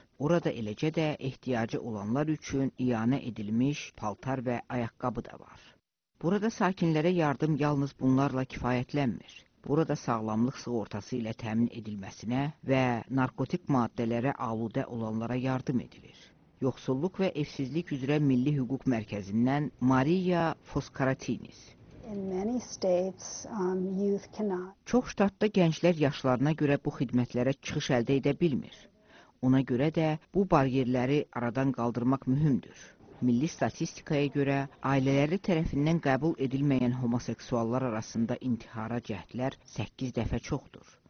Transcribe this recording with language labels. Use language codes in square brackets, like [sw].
[az] Orada eləcə də ehtiyacı olanlar üçün ianə edilmiş paltar və ayaqqabı da var. Burada sakinlərə yardım yalnız bunlarla kifayətlənmir. burada sağlamlıq sığortası ilə təmin edilməsinə və narkotik maddələrə aludə olanlara yardım edilir. Yoxsulluq və evsizlik üzrə Milli Hüquq Mərkəzindən Maria Foskaratinis. [en] In many states, youth cannot. [az] Çox ştatda gənclər yaşlarına görə bu xidmətlərə çıxış əldə edə bilmir. Ona görə də bu bariyerləri aradan qaldırmaq mühümdür. Milli statistikaya görə ailələri tərəfindən qəbul edilməyən homoseksuallar arasında intihara cəhdlər 8 dəfə çoxdur.